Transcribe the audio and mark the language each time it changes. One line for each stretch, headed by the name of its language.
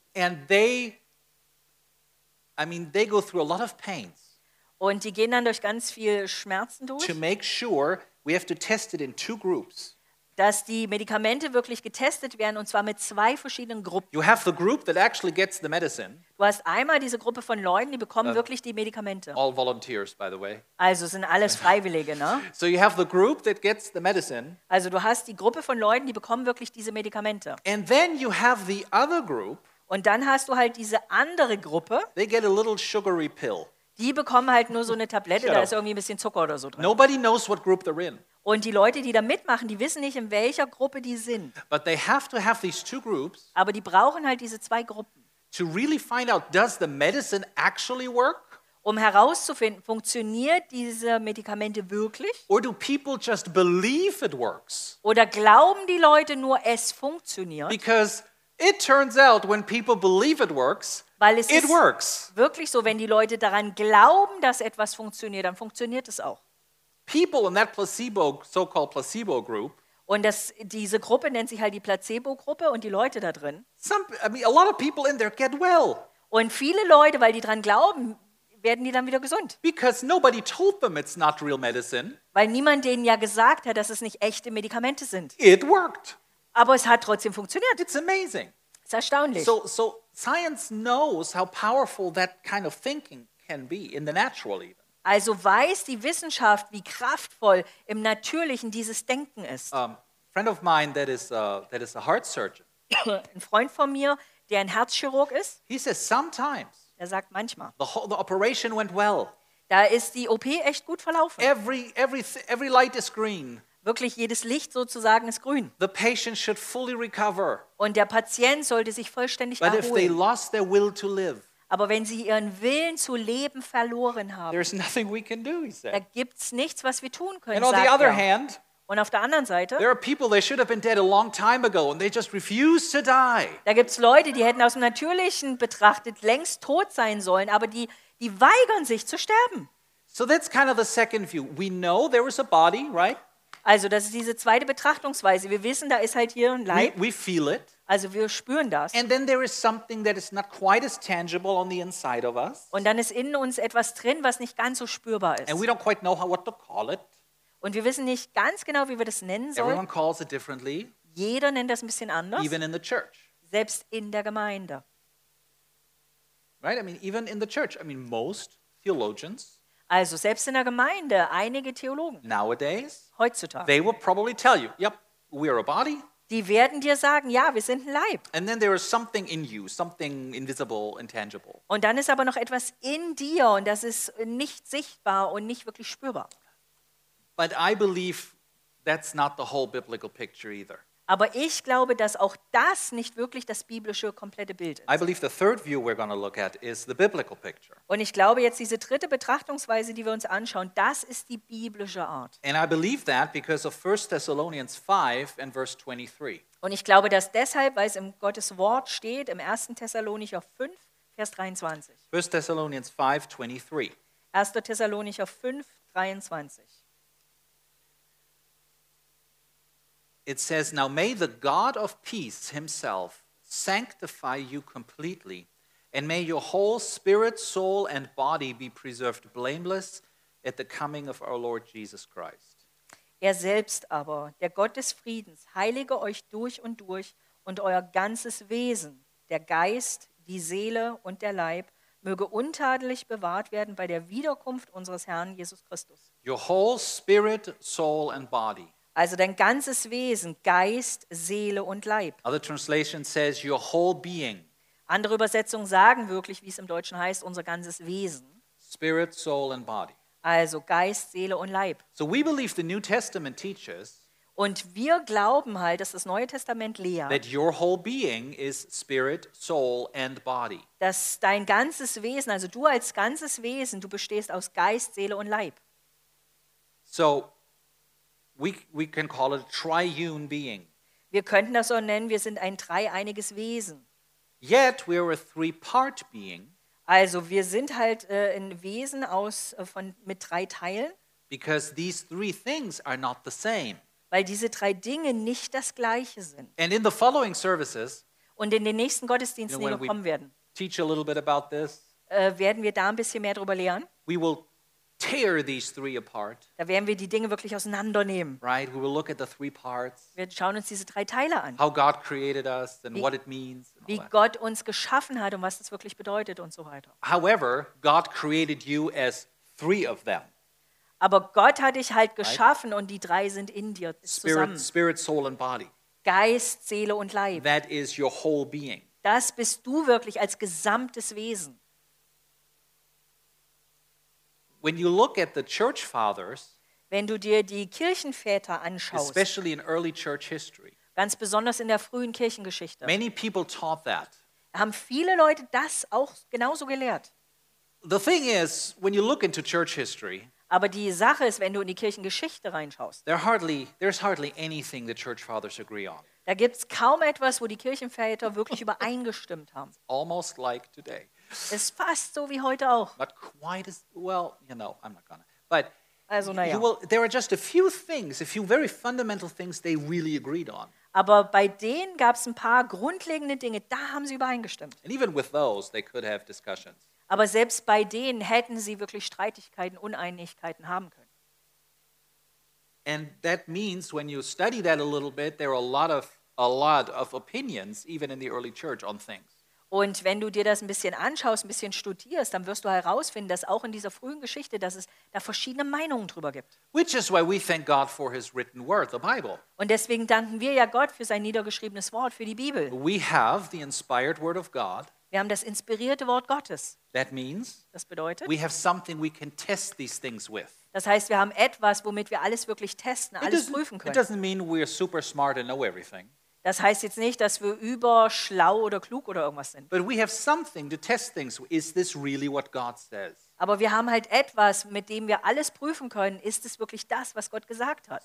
English: And they go through a lot of pains.
German: Und die gehen dann durch ganz viel Schmerzen durch.
English: To make sure we have to test it in two groups.
German: Dass die Medikamente wirklich getestet werden und zwar mit zwei verschiedenen Gruppen.
English: You have the group that actually gets the medicine.
German: Du hast einmal diese Gruppe von Leuten, die bekommen wirklich die Medikamente.
English: All volunteers, by the way.
German: Also sind alles Freiwillige, ne?
English: So you have the group that gets the medicine.
German: Also du hast die Gruppe von Leuten, die bekommen wirklich diese Medikamente.
English: And then you have the other group.
German: Und dann hast du halt diese andere Gruppe.
English: They get a little sugary pill.
German: Die bekommen halt nur so eine Tablette, da ist irgendwie ein bisschen Zucker oder so drin.
English: Nobody knows what group they're in.
German: Und die Leute, die da mitmachen, die wissen nicht, in welcher Gruppe die sind.
English: But they have to have these two groups.
German: Aber die brauchen halt diese zwei Gruppen.
English: To really find out, does the medicine actually work?
German: Um herauszufinden, funktioniert diese Medikamente wirklich?
English: Or do people just believe it works?
German: Oder glauben die Leute nur, es funktioniert?
English: Because it turns out, when people believe it works,
German: weil es
English: it
German: ist
English: works.
German: Wirklich so, wenn die Leute daran glauben, dass etwas funktioniert, dann funktioniert es auch.
English: People in that placebo, so-called placebo group.
German: Und diese Gruppe nennt sich halt die Placebo-Gruppe und die Leute da drin.
English: A lot of people in there get well.
German: Und viele Leute, weil die dran glauben, werden die dann wieder gesund.
English: Because nobody told them it's not real medicine.
German: Weil niemand denen ja gesagt hat, dass es nicht echte Medikamente sind.
English: It worked.
German: Aber es hat trotzdem funktioniert.
English: It's amazing.
German: Das ist erstaunlich.
English: So science knows how powerful that kind of thinking can be in the natural even.
German: Also weiß die Wissenschaft, wie kraftvoll im Natürlichen dieses Denken ist.
English: Friend of mine that is a heart surgeon.
German: Ein Freund von mir, der ein Herzchirurg ist.
English: He says sometimes.
German: Er sagt manchmal.
English: The operation went well.
German: Da ist die OP echt gut verlaufen.
English: Every light is green.
German: Wirklich jedes Licht sozusagen ist grün.
English: The patient should fully recover.
German: Und der Patient sollte sich vollständig erholen.
English: But if they lost their will to live.
German: Aber wenn sie ihren Willen zu leben verloren haben,
English: there's nothing we can do, he said.
German: Da gibt's nichts, was wir tun können,
English: and on
German: sagt
English: the other
German: er.
English: Hand,
German: und auf der anderen Seite,
English: there are people that should have been dead a long time ago and they just refuse to die.
German: Da gibt's Leute, die hätten aus dem Natürlichen betrachtet längst tot sein sollen, aber die weigern sich zu sterben.
English: So that's kind of the second view. We know there is a body, right?
German: Also das ist diese zweite Betrachtungsweise. Wir wissen, da ist halt hier ein Leib.
English: We feel it.
German: Also wir spüren das.
English: And then there is something that is not quite as tangible on the inside of us.
German: Und dann ist in uns etwas drin, was nicht ganz so spürbar ist.
English: And we don't quite know what to call it.
German: Und wir wissen nicht ganz genau, wie wir das nennen sollen.
English: Everyone calls it differently.
German: Jeder nennt das ein bisschen anders.
English: Even in the church.
German: Selbst in der Gemeinde.
English: Right? I mean, even in the church. I mean, most theologians.
German: Also selbst in der Gemeinde einige Theologen.
English: Nowadays.
German: Heutzutage.
English: They will probably tell you, yep, we are a body.
German: Die werden dir sagen, ja, wir sind ein Leib.
English: And then there is something in you, something invisible, intangible.
German: Und dann ist aber noch etwas in dir und das ist nicht sichtbar und nicht wirklich spürbar.
English: But I believe that's not the whole biblical picture either.
German: Aber ich glaube, dass auch das nicht wirklich das biblische komplette Bild ist.
English: I believe the third view we're going to look at is the biblical picture.
German: Und ich glaube jetzt diese dritte Betrachtungsweise, die wir uns anschauen, das ist die biblische Art.
English: And I believe that because of 1 Thessalonians 5 and verse 23.
German: Und ich glaube das deshalb, weil es im Gottes Wort steht, im 1. Thessalonicher 5, Vers 23.
English: 1 Thessalonians 5, 23.
German: 1. Thessalonicher 5, 23.
English: It says, now may the God of peace himself sanctify you completely, and may your whole spirit, soul, and body be preserved blameless at the coming of our Lord Jesus Christ.
German: Er selbst aber, der Gott des Friedens, heilige euch durch und durch, und euer ganzes Wesen, der Geist, die Seele und der Leib, möge untadelig bewahrt werden bei der Wiederkunft unseres Herrn Jesus Christus.
English: Your whole spirit, soul, and body.
German: Also dein ganzes Wesen, Geist, Seele und Leib.
English: Other translation says your whole being.
German: Andere Übersetzungen sagen wirklich, wie es im Deutschen heißt, unser ganzes Wesen.
English: Spirit, soul and body.
German: Also Geist, Seele und Leib.
English: So we believe the New Testament teaches.
German: Und wir glauben halt, dass das Neue Testament lehrt.
English: That your whole being is spirit, soul and body.
German: Dass dein ganzes Wesen, also du als ganzes Wesen, du bestehst aus Geist, Seele und Leib.
English: So We can call it a triune being.
German: Wir könnten das so nennen, wir sind ein dreieiniges Wesen.
English: Yet we are a three-part being.
German: Also wir sind halt ein Wesen aus mit drei Teilen.
English: Because these three things are not the same.
German: Weil diese drei Dinge nicht das gleiche sind.
English: And in the following services,
German: und in den nächsten Gottesdiensten, die wir kommen werden,
English: teach a little bit about this,
German: werden wir da ein bisschen mehr drüber lernen.
English: We will tear these three apart.
German: Da werden wir die Dinge wirklich auseinandernehmen.
English: Right, we will look at the three parts.
German: Wir schauen uns diese drei Teile an.
English: How God created us and what it means.
German: Wie Gott uns geschaffen hat und was das wirklich bedeutet und so weiter.
English: However, God created you as three of them.
German: Aber Gott hat dich halt geschaffen, right? Und die drei sind in dir zusammen.
English: Spirit, soul and body.
German: Geist, Seele und Leib.
English: That is your whole being.
German: Das bist du wirklich als gesamtes Wesen.
English: When you look at the church fathers,
German: wenn du dir die Kirchenväter anschaust,
English: especially in early church history,
German: ganz besonders in der frühen Kirchengeschichte,
English: many people taught that.
German: Haben viele Leute das auch genauso gelehrt.
English: The thing is, when you look into church history,
German: aber die Sache ist, wenn du in die Kirchengeschichte reinschaust,
English: there's hardly anything the church fathers agree on.
German: Da gibt's kaum etwas, wo die Kirchenväter wirklich übereingestimmt haben.
English: Almost like today.
German: Es ist fast so wie heute auch.
English: But quite as well, you know, I'm not gonna. But
German: also, na ja.
English: There are just a few very fundamental things they really agreed on.
German: Aber bei denen gab es ein paar grundlegende Dinge, da haben sie übereingestimmt.
English: And even with those, they could have discussions.
German: Aber selbst bei denen hätten sie wirklich Streitigkeiten, Uneinigkeiten haben können.
English: And that means when you study that a little bit, there are a lot of a lot of opinions, even in the early church, on things.
German: Und wenn du dir das ein bisschen anschaust, ein bisschen studierst, dann wirst du herausfinden, dass auch in dieser frühen Geschichte, dass es da verschiedene Meinungen drüber gibt.
English: Which is why we thank God for his written word, the Bible.
German: Und deswegen danken wir ja Gott für sein niedergeschriebenes Wort, für die Bibel.
English: We have the inspired word of God.
German: Wir haben das inspirierte Wort Gottes.
English: That means,
German: das bedeutet,
English: we have something we can test these things with.
German: Das heißt, wir haben etwas, womit wir alles wirklich testen, alles prüfen können.
English: It doesn't mean we're super smart and know everything.
German: Das heißt jetzt nicht, dass wir überschlau oder klug oder irgendwas sind.
English: But we have something to test things. Is this really what God says?
German: Aber wir haben halt etwas, mit dem wir alles prüfen können. Ist es wirklich das, was Gott gesagt hat?